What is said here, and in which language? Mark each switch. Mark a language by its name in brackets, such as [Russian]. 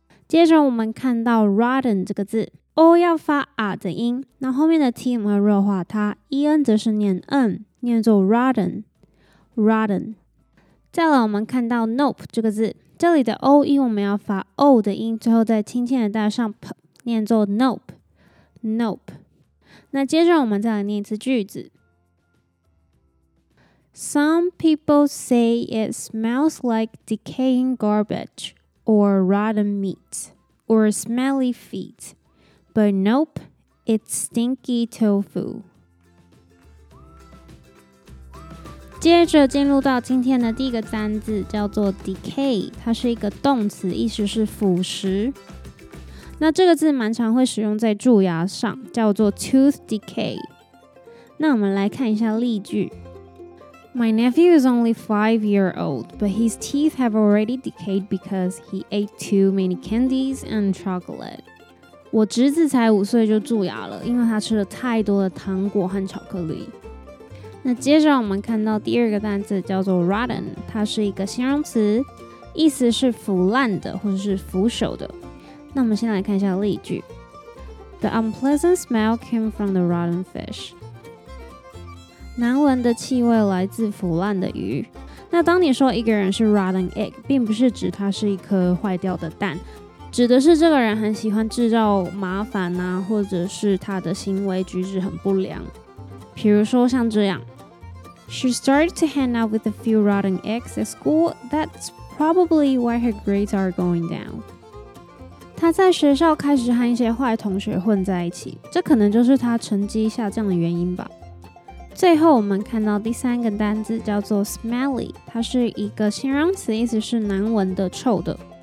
[Chinese] 接着我们看到 rotten 这个字 ，o 要发 r 的音，那后面的 t 我们要弱化它 ，en 则是念 n， 念作 rotten rotten。再来我们看到 nope 这个字，这里的 o 音我们要发 o 的音，最后再轻轻的带上 p， 念作 nope nope。那接着我们再来念一次句子。 [English] Some people say it smells like decaying garbage or rotten meat or smelly feet, but nope, it's stinky tofu. [Chinese] 接着进入到今天的第一个单字叫做 decay， 它是一个动词，意思是腐蚀。那这个字蛮常会使用在蛀牙上，叫做 tooth decay。那我们来看一下例句。 [English] My nephew is only 5 years old, but his teeth have already decayed because he ate too many candies and chocolate. [Chinese] 我侄子才五岁就蛀牙了，因为他吃了太多的糖果和巧克力。那接着我们看到第二个单词叫做 rotten， 它是一个形容词，意思是腐烂的或者是腐朽的。那我们先来看一下例句。 [English] The unpleasant smell came from the rotten fish. [Chinese] 难闻的气味来自腐烂的鱼。那当你说一个人是 rotten egg， 并不是指他是一颗坏掉的蛋，指的是这个人很喜欢制造麻烦啊，或者是他的行为举止很不良。比如说像这样 [English] ，She started to hang out with a few rotten eggs at school. That's probably why her grades are going down. [Chinese] 她在学校开始和一些坏同学混在一起，这可能就是她成绩下降的原因吧。最后我们看到第三个单字叫做 smelly， 它是一个形容词，意思是难闻的、臭的。